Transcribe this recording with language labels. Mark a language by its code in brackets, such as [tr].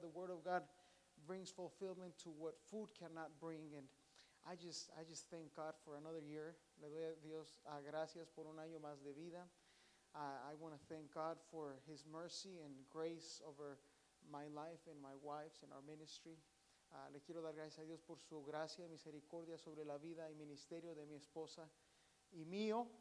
[en] The word of God brings fulfillment to what food cannot bring, and I just thank God for another year. [es] Le doy a Dios gracias por un año más de vida. [en] I want to thank God for His mercy and grace over my life and my wife's and our ministry. [es] Le quiero dar gracias a Dios por su gracia y misericordia sobre la vida y ministerio de mi esposa y mío.